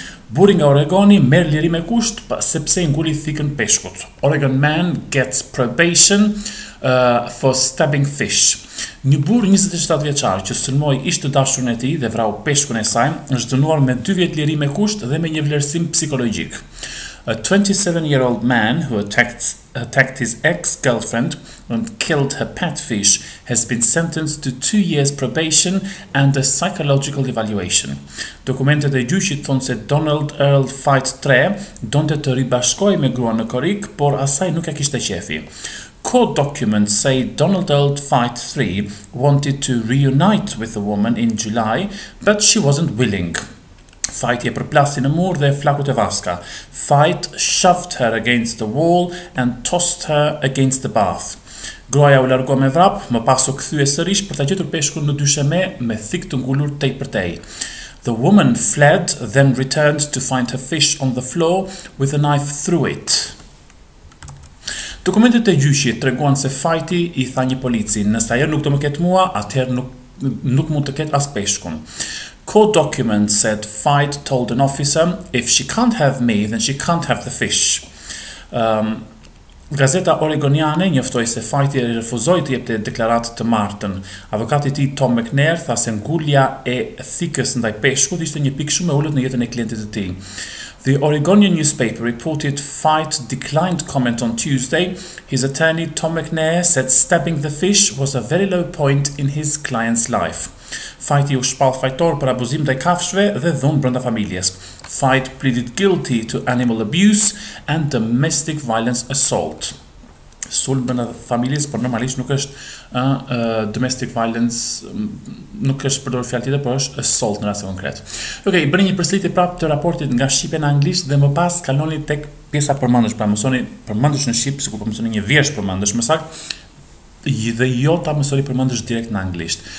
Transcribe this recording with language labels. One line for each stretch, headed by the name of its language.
Albanian: Buri nga Oregoni merr liri me kusht sepse nguli thikën peshkut.
English: Oregon man gets probation for stabbing fish.
Albanian: Një burr 27 vjeçar që sulmoi ishte dashurën e tij dhe vrau peshkun e saj, është dënuar me 2 vjet liri me kusht dhe me një vlerësim psikologjik.
English: A 27-year-old man who attacked his ex-girlfriend and killed her pet fish has been sentenced to 2 years probation and a psychological evaluation.
Albanian: Dokumentet e gjyqit thonë se Donald Earl Fight 3 donte të ribashkoj me gruan në korik, por asaj nuk e kishte qefi.
English: Court documents say Donald Earl Fight 3 wanted to reunite with the woman in July, but she wasn't willing.
Albanian: Fajti e përplasi në mur dhe flakut e vaska.
English: Fajt shoved her against the wall and tossed her against the bath.
Albanian: Groja u largo me vrap, më pasu këthy e sërish për të gjetur peshkur në dysheme me thik të ngullur tej për tej.
English: The woman fled, then returned to find her fish on the floor with a knife through it.
Albanian: Dokumentet e gjyqit treguan se Fajti i tha një polici, nësa ajo nuk do më ketë mua, atëherë nuk mund të ketë as peshkun.
English: Court documents said Fight told an officer, if she can't have me, then she can't have the fish.
Albanian: Gazeta Oregoniane njoftoi se Fight i refuzoi të jepte deklaratë të martën. Avokati i tij Tom McNair tha se ngulja e thikës ndaj peshkut ishte një pikë shumë e ulët në jetën e klientit të tij.
English: The Oregonian newspaper reported Fight declined comment on Tuesday. His attorney Tom McNair said stabbing the fish was a very low point in his client's life.
Albanian: Fajti u shpall fajtor për abuzim ndaj kafshëve dhe dhunë brenda familjes.
English: Fight pleaded guilty to animal abuse and domestic violence assault.
Albanian: Sulm brenda familjes, por normalisht nuk është domestic violence, nuk është përdorur fjalë tjetër, por është assault në rast konkret. Okej, bëni një përsëritje prapë të raportit nga shqipe në anglisht dhe më pas kaloni tek pjesa përmendësh, pra mësoni përmendësh në shqip, sikur po mësoni një vesh përmendësh, më saktë dhe jo ta mësori përmendësh direkt në anglisht.